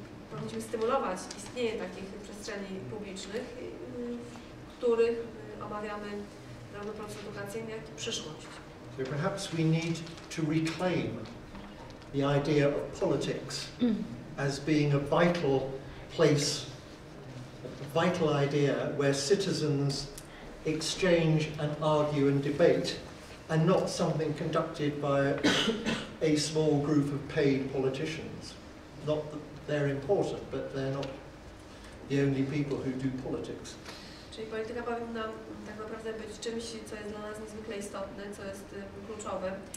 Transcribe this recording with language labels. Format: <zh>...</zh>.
<pl>Powinniśmy stymulować istnienie takich przestrzeni publicznych, w których omawiamy zarówno proces edukacyjny, jak i przyszłość.</pl> <en>So perhaps we need to reclaim the idea of politics as being a vital place, a vital idea where citizens exchange and argue and debate and not something conducted by a small group of paid politicians. Not that they're important, but they're not the only people who do politics.</en> <pl>Czyli polityka powinna tak naprawdę być czymś, co jest dla nas niezwykle istotne, co jest kluczowe.</pl>